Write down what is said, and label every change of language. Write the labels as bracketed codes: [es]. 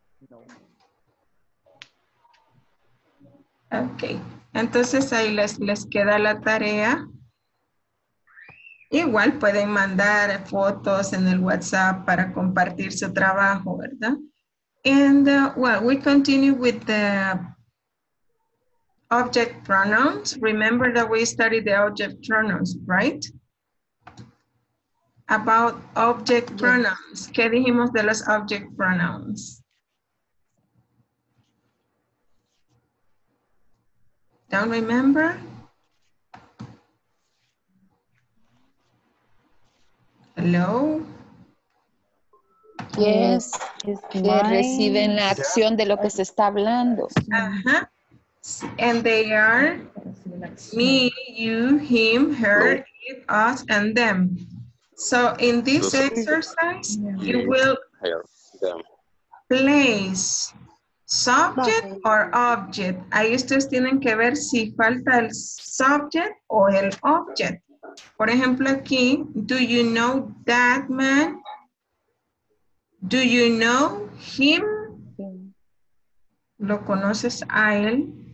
[es] No. Ok. Entonces ahí les queda la tarea. Igual pueden mandar fotos en el WhatsApp para compartir su trabajo, ¿verdad? [en] And, well, we continue with the object pronouns. Remember that we studied the object pronouns, right? About object pronouns. [es] ¿Qué dijimos de los [en] object pronouns? Don't remember? Hello? [es] Yes, que reciben la acción de lo que se está hablando. Uh-huh. [en] And they are me, you, him, her, it, us, and them. So in this exercise, you will place subject or object. [es] Ahí ustedes tienen que ver si falta el subject o el object. Por ejemplo, aquí, [en] do you know that man? Do you know him? [es] ¿Lo conoces a él?